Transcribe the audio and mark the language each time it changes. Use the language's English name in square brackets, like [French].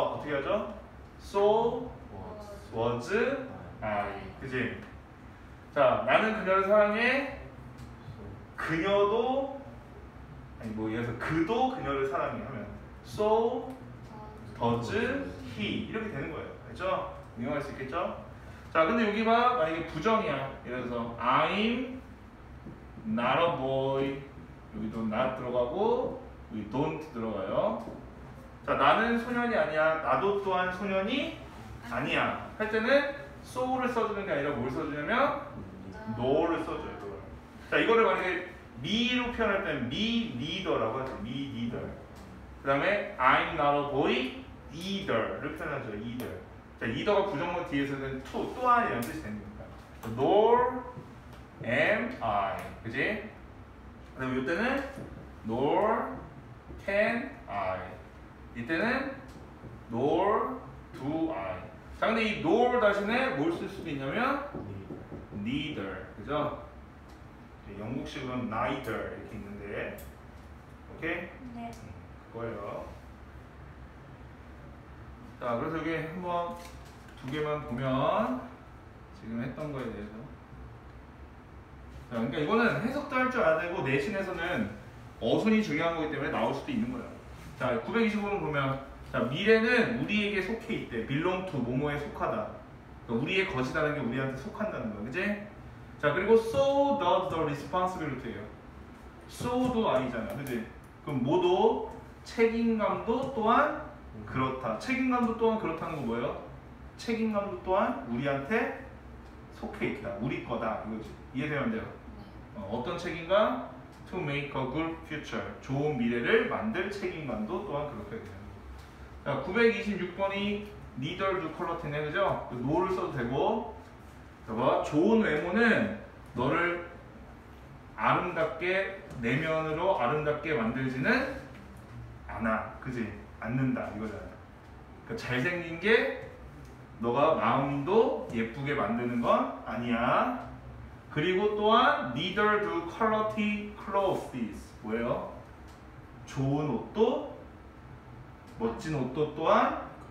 [Korean] 어떻게 하죠? [English] so was I. [Korean] 그지? 자, 나는 그녀를 사랑해. 그녀도 아니 뭐 이어서 그도 그녀를 사랑해 하면 [English] so does he [Korean] 이렇게 되는 거예요. 알죠? 응용할 수 있겠죠? 자, 근데 여기 봐. 만약에 부정이야. 예를 들어서 [English] I'm not a boy. [Korean] 여기도 not 들어가고 여기 don't 들어가요. 자, 나는 소년이 아니야. 나도 또한 소년이 아니야 할 때는 so를 써주는 게 아니라 뭘 써주냐면 no를 써줘요. 그걸. 자, 이거를 만약에 me로 표현할 때는 me neither라고 하죠. [English] me neither. [Korean] 그 다음에 [English] I'm not a boy either [Korean] 를 표현하죠. either. 자, either가 부정문 뒤에서는 to, 또한 이런 뜻이 됩니다. [English] nor am I. [Korean] 그지? 그 다음에 이때는 [English] nor can I. [Korean] 이때는 [English] nor do I. [Korean] 자, 근데 이 nor 대신에 뭘 쓸 수도 있냐면 neither, 그죠? 네, 영국식으로는 neither 이렇게 있는데 오케이? 네 그거예요. 자, 그래서 여기 한번 두 개만 보면 지금 했던 거에 대해서. 자, 그러니까 이거는 해석도 할 줄 알아야 되고 내신에서는 어순이 중요한 거기 때문에 나올 수도 있는 거예요. 자, 925번 보면 자, 미래는 우리에게 속해 있대. belong to, 뭐뭐에 속하다. 그러니까 우리의 것이라는 게 우리한테 속한다는 거야, 그치? 자, 그리고 [English] so does the responsibility예요. [Korean] so도 아니잖아, 그치? 그럼 뭐도? 책임감도 또한 그렇다. 책임감도 또한 그렇다는 거 뭐예요? 책임감도 또한 우리한테 속해 있다. 우리 거다. 이거지. 이해되면 돼요. 어떤 책임감? [English] To make a good future. [Korean] 좋은 미래를 만들 책임감도 또한 그렇게 되는 거예요. 926번이 neither do color tint네, 그죠? no를 써도 되고. 봐봐. 좋은 외모는 너를 아름답게, 내면으로 아름답게 만들지는 않아. 그지? 않는다. 이거잖아. 그러니까 잘생긴 게 너가 마음도 예쁘게 만드는 건 아니야. 그리고 또한 [English] neither do quality clothes. [Korean] 뭐예요? 좋은 옷도 멋진 옷도 또한